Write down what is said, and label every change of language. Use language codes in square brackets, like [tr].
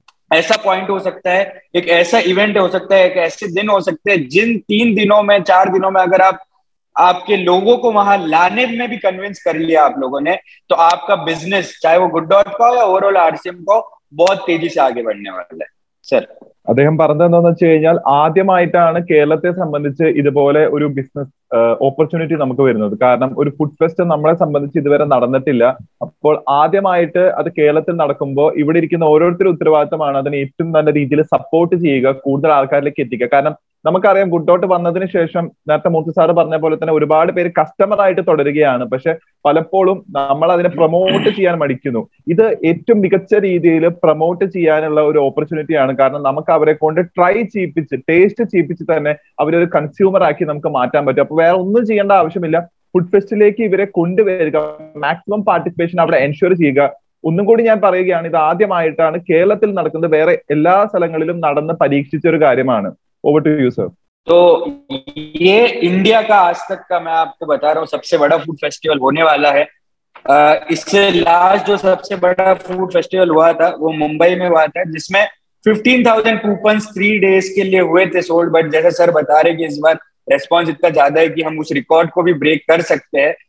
[hi] ऐसा पॉइंट हो सकता है, एक ऐसा इवेंट हो सकता है, एक ऐसे दिन हो सकते हैं जिन 3 दिनों में 4 दिनों में अगर आप आपके लोगों को वहां लाने में भी कन्विंस कर लिया आप लोगों ने, तो आपका बिजनेस चाहे वो गुड डॉट का हो या ओवरऑल आरसीएम को, बहुत तेजी से आगे बढ़ने वाला है सर। [ml] അദ്ദേഹം പറഞ്ഞത് എന്താണെന്ന് വെച്ച് കഴിഞ്ഞാൽ, ആദ്യമായിട്ടാണ് കേരളത്തെ സംബന്ധിച്ച് ഇതുപോലെ ഒരു ബിസിനസ് ഓപ്പർച്യൂണിറ്റി നമുക്ക് വരുന്നത്. കാരണം ഒരു ഫുഡ് ഫെസ്റ്റ് നമ്മളെ സംബന്ധിച്ച് ഇതുവരെ നടന്നിട്ടില്ല. അപ്പോൾ ആദ്യമായിട്ട് അത് കേരളത്തിൽ നടക്കുമ്പോൾ ഇവിടെ ഇരിക്കുന്ന ഓരോരുത്തരുടെ ഉത്തരവാദിത്തമാണ് അതിന് ഏറ്റവും നല്ല രീതിയിൽ സപ്പോർട്ട് ചെയ്യുക, കൂടുതൽ ആൾക്കാരിലേക്ക് എത്തിക്കുക. കാരണം നമുക്കറിയാം, ഗുഡ് ഡോട്ട് വന്നതിന് ശേഷം നേരത്തെ മൂർത്തി സാറ് പറഞ്ഞ പോലെ തന്നെ ഒരുപാട് പേര് കസ്റ്റമറായിട്ട് തുടരുകയാണ്. പക്ഷെ പലപ്പോഴും നമ്മൾ അതിനെ പ്രൊമോട്ട് ചെയ്യാൻ മടിക്കുന്നു. ഇത് ഏറ്റവും മികച്ച രീതിയിൽ പ്രൊമോട്ട് ചെയ്യാനുള്ള ഒരു ഓപ്പർച്യൂണിറ്റിയാണ്. കാരണം നമുക്ക് അവരെ കൊണ്ട് ട്രൈ ചെയ്യിപ്പിച്ച്, ടേസ്റ്റ് ചെയ്യിപ്പിച്ച് തന്നെ അവരെ ഒരു കൺസ്യൂമർ ആക്കി നമുക്ക് മാറ്റാൻ പറ്റും. അപ്പൊ വേറെ ഒന്നും ചെയ്യേണ്ട ആവശ്യമില്ല, ഫുഡ് ഫെസ്റ്റിലേക്ക് ഇവരെ കൊണ്ടുവരിക, മാക്സിമം പാർട്ടിസിപ്പേഷൻ അവിടെ എൻഷുർ ചെയ്യുക. ഒന്നും കൂടി ഞാൻ പറയുകയാണ്, ഇത് ആദ്യമായിട്ടാണ് കേരളത്തിൽ നടക്കുന്നത്, വേറെ എല്ലാ സ്ഥലങ്ങളിലും നടന്ന് പരീക്ഷിച്ച ഒരു കാര്യമാണ്. [en] Over to you, sir. [hi] तो ये इंडिया का आज तक का मैं आपको बता रहा हूँ सबसे बड़ा फूड फेस्टिवल होने वाला है। इससे लास्ट जो सबसे बड़ा फूड फेस्टिवल हुआ था वो मुंबई में हुआ था, जिसमें 15,000 कूपन्स 3 डेज के लिए हुए थे सोल्ड। बट जैसे सर बता रहे कि इस बार रिस्पॉन्स इतना ज्यादा है कि हम उस रिकॉर्ड को भी ब्रेक कर सकते हैं।